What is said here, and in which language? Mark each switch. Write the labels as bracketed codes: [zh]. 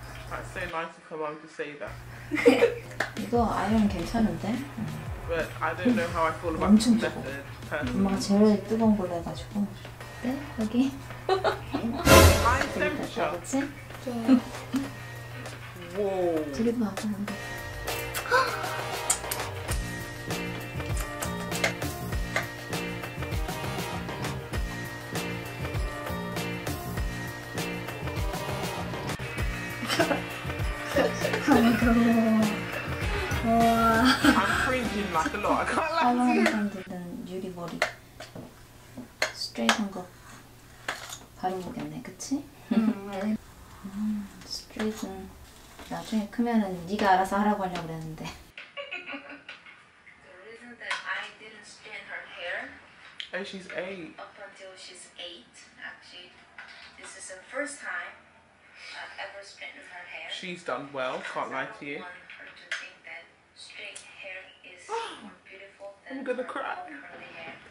[en] That's so nice of her mom to say that. [ko] 이거 아이언 괜찮은데? [en] But I don't know how I feel about this method. [ko] 엄마가 제일 뜨거운 걸로 해가지고. 네? 여기? [en] High temperature. [ko] 그치? 되게 더 아파는데. [en] I'm cringing like a lot. I can't laugh. How long have you been doing Judy body? Straight on go. How long can I get it? Straight on. [ko] 나중에 크면은 네가 알아서 하라고 하려고 그랬는데. [en] The reason that I didn't straighten her hair. And she's 8. Up until she's 8, actually. This is the first time I've ever straightened her hair. She's done well, can't lie to you. I don't want her to think that straight hair is more beautiful than curly hair.